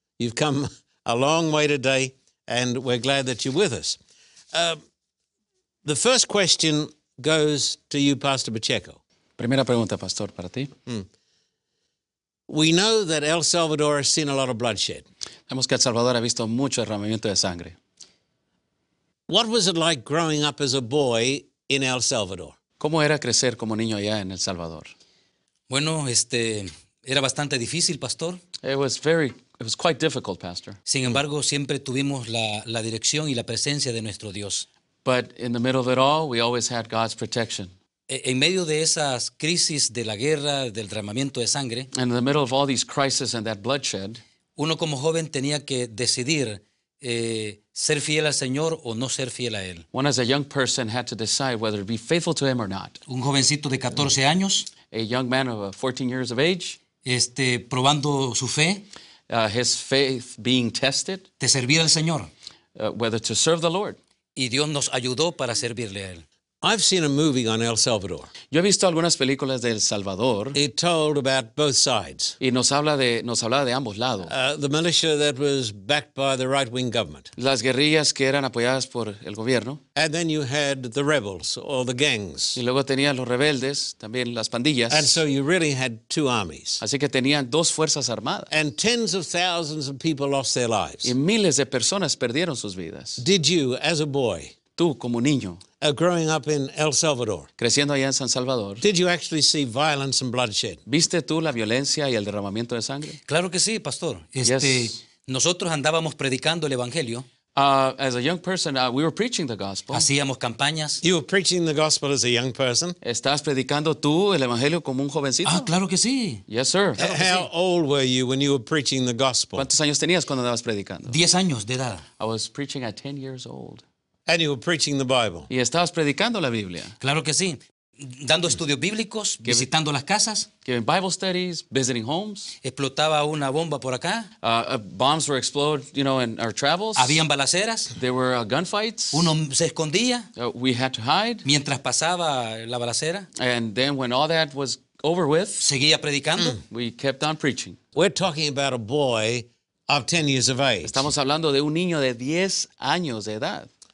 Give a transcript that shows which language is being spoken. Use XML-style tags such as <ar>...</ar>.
<en>You've come a long way today, and we're glad that you're with us. The first question goes to you, Pastor Pacheco.</en> <es>Primera pregunta, Pastor, para ti.</es> <en>We know that El Salvador has seen a lot of bloodshed.</en> <es>Sabemos que El Salvador ha visto mucho derramamiento de sangre.</es> <en>What was it like growing up as a boy in El Salvador?</en> <es>¿Cómo era crecer como niño allá en El Salvador? Bueno, era bastante difícil, Pastor.</es> <en>It was quite difficult, Pastor.</en> <es>Sin embargo, siempre tuvimos la dirección y la presencia de nuestro Dios.</es> <en>But in the middle of it all, we always had God's protection.</en> <es>En medio de esas crisis de la guerra, del derramamiento de sangre,</es> <en>and in the middle of all these crises and that bloodshed,</en> <es>uno como joven tenía que decidir ser fiel al Señor o no ser fiel a Él.</es> <en>One as a young person had to decide whether to be faithful to Him or not.</en> <es>Un jovencito de 14 años,</es> <en>a young man of 14 years of age,</en> <es>probando su fe,</es> <en>his faith being tested,</en> <es>de servir al Señor,</es> <en>whether to serve the Lord.</en> <es>Y Dios nos ayudó para servirle a Él.</es> <en>I've seen a movie on El Salvador.</en> <es>Yo he visto algunas películas de El Salvador.</es> <en>It told about both sides.</en> <es>Y nos hablaba de ambos lados.</es> <en>The militia that was backed by the right-wing government.</en> <es>Las guerrillas que eran apoyadas por el gobierno.</es> <en>And then you had the rebels or the gangs.</en> <es>Y luego tenían los rebeldes, también las pandillas.</es> <en>And so you really had two armies.</en> <es>Así que tenían dos fuerzas armadas.</es> <en>And tens of thousands of people lost their lives.</en> <es>Y miles de personas perdieron sus vidas.</es> <en>Did you, as a boy,</en> <es>tú como niño,</es> <en>growing up in El Salvador,</en> <es>creciendo allá en San Salvador,</es> <en>did you actually see violence and bloodshed?</en> <es>¿Viste tú la violencia y el derramamiento de sangre? Claro que sí, Pastor.</es> <en>Yes.</en> <es>Nosotros andábamos predicando el Evangelio.</es> <en>As a young person, we were preaching the gospel.</en> <es>Hacíamos campañas.</es> <en>You were preaching the gospel as a young person.</en> <es>¿Estás predicando tú el Evangelio como un jovencito? Ah, claro que sí.</es> <en>Yes, sir. How old were you when you were preaching the gospel?</en> <es>¿Cuántos años tenías cuando andabas predicando? 10 años de edad.</es> <en>I was preaching at 10 years old. And you were preaching the Bible.</en> <es>Y estabas predicando la Biblia. Claro que sí. Dando estudios bíblicos, visitando las casas.</es> <en>Giving Bible studies, visiting homes.</en> <es>Explotaba una bomba por acá.</es> <en>Bombs were exploded, you know, in our travels.</en> <es>Habían balaceras.</es> <en>There were gunfights.</en> <es>Uno se escondía.</es> <en>We had to hide.</en> <es>Mientras pasaba la balacera.</es> <en>And then when all that was over with,</en> <es>seguía predicando.</es> <en>We kept on preaching. We're talking about a boy of 10 years of age.</en> <es>Estamos hablando de un niño de 10 años de edad.</es>